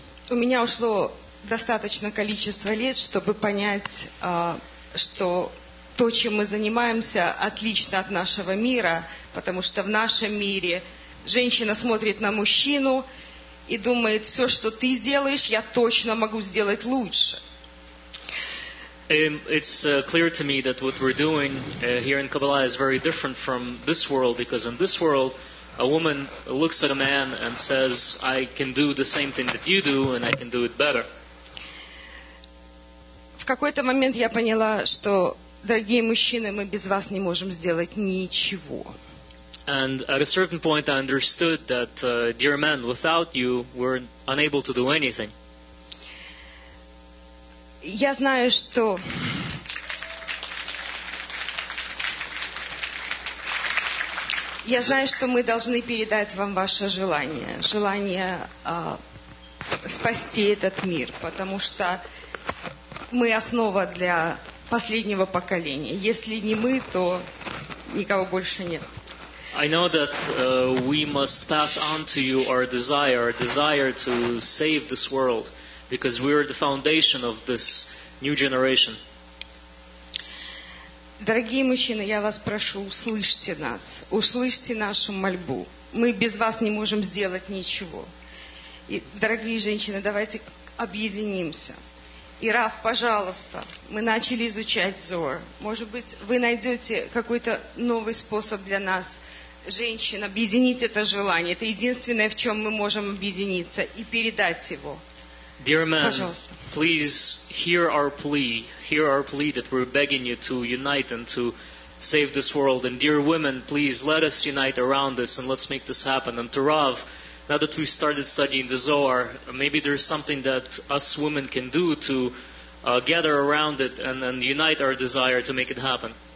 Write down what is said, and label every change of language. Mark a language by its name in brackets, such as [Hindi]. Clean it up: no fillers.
[Russian] У меня ушло достаточно количество лет, чтобы понять, что то, чем мы занимаемся, отлично от нашего мира, потому что в нашем мире женщина смотрит на мужчину и думает, все, что ты делаешь, я точно могу сделать лучше. [English] It's clear to me that what we're doing here in Kabbalah is very different from this world, because in this world a woman looks at a man and says, I can do the same thing that you do and I can do it better. [Russian] В какой-то момент я поняла, что, дорогие мужчины, мы без вас не можем сделать ничего. [English] And at a certain point I understood that, dear men, without you we're unable to do anything. [Russian] Я знаю, что мы должны передать вам ваше желание спасти этот мир, потому что мы основа для последнего поколения. Если не мы, то никого больше нет. [English] I know that we must pass on to you our desire to save this world. Because we are the foundation of this new generation. [Russian] Дорогие мужчины, я вас прошу, услышьте нас. Услышьте нашу мольбу. Мы без вас не можем сделать ничего. И, дорогие женщины, давайте объединимся. И, Раф, пожалуйста, мы начали изучать Зор. Может быть, вы найдете какой-то новый способ для нас, женщин, объединить это желание. Это единственное, в чем мы можем объединиться, и передать его. [English] Dear men, please hear our plea. Hear our plea that we're begging you to unite and to save this world. And dear women, please let us unite around this and let's make this happen. And to Rav, now that we've started studying the Zohar, maybe there's something that us women can do to gather around it and unite our desire to make it happen.